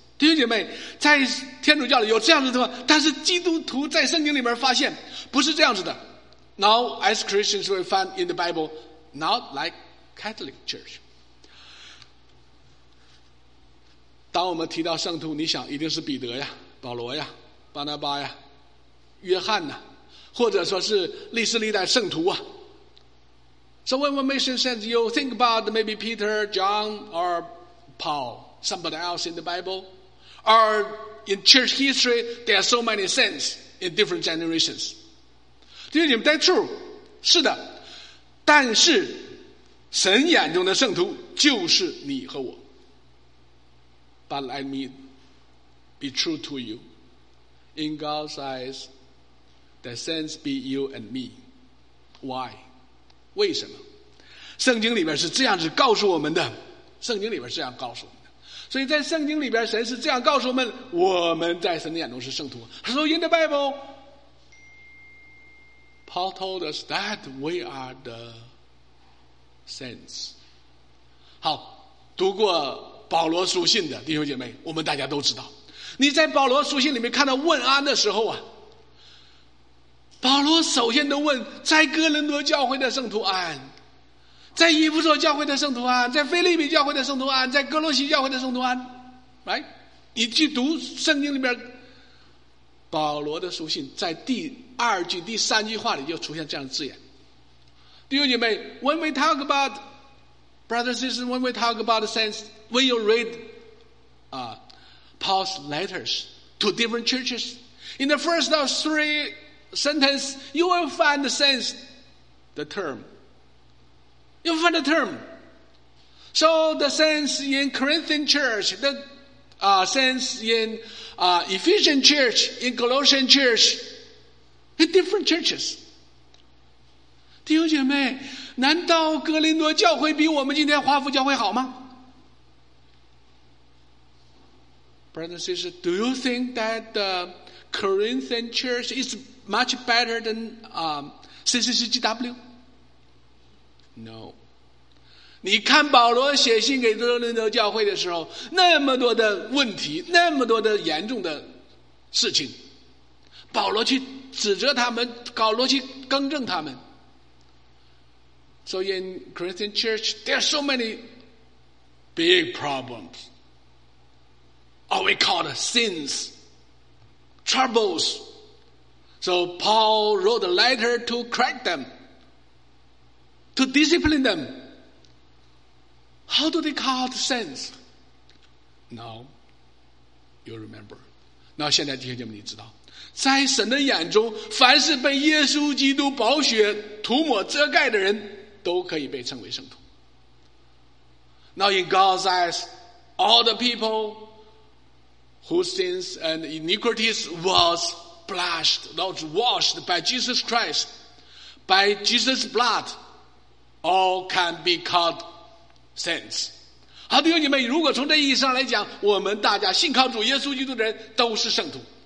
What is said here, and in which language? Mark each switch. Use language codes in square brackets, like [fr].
[zh] 弟兄姐妹，在天主教里有这样子的吗？但是基督徒在圣经里面发现不是这样子的。 [en] Now as Christians we find in the Bible, not like. Catholic Church. [zh] 当我们提到圣徒，你想一定是彼得呀、保罗呀、巴拿巴呀、约翰呐、或者说是历史历代圣徒啊。 [en] So when we mention saints, you think about maybe Peter, John, or Paul, somebody else in the Bible, or in church history, there are so many saints in different generations. [zh] 弟兄姐妹 ， [en] That's true. [zh] 是的，但是。神眼中的圣徒就是你和我。 [en] But let me be true to you. In God's eyes, the saints be you and me. Why? [zh] 为什么？圣经里边是这样子告诉我们的。圣经里边是这样告诉我们的。所以在圣经里边，神是这样告诉我们：我们在神的眼中是圣徒。 [en] So in the Bible, Paul told us that we are the. Sense. [zh] 好，读过保罗书信的弟兄姐妹，我们大家都知道，你在保罗书信里面看到问安的时候啊，保罗首先都问在哥林多教会的圣徒安，在以弗所教会的圣徒安，在腓立比教会的圣徒安，在哥罗西教会的圣徒安，来，你去读圣经里面保罗的书信，在第二句第三句话里就出现这样的字眼。弟兄姐妹 [en] ，When we talk about brothers and sisters, when we talk about saints, when you read Paul's letters to different churches, in the first of three sentences, you will find the saints, the term. You find the term. So the saints in Corinthian church, the saints in Ephesian church, in Colossian church, in different churches. [zh] 弟兄姐妹，难道哥林多教会比我们今天华府教会好吗？ [en] Brothers and sisters, do you think that the Corinthian church is much better than CCCGW? No. [zh] 你看保罗写信给哥林多教会的时候，那么多的问题，那么多的严重的事情，保罗去指责他们，保罗去更正他们。 [en] So in Christian church, there are so many big problems. Or we call it sins, troubles. So Paul wrote a letter to correct them, to discipline them. How do they call it sins? Now, you remember. [zh] 那现在弟兄姐妹你知道。在神的眼中，凡是被耶稣基督宝血涂抹遮盖的人都可以被称为圣徒。 [en] Now in God's eyes, all the people whose sins and iniquities was blushed, not washed by Jesus Christ, by Jesus' blood, all can be called saints. [zh] 好，弟兄姐妹，如果从这意义上来讲，我们大家信靠主耶稣基督的人都是圣徒。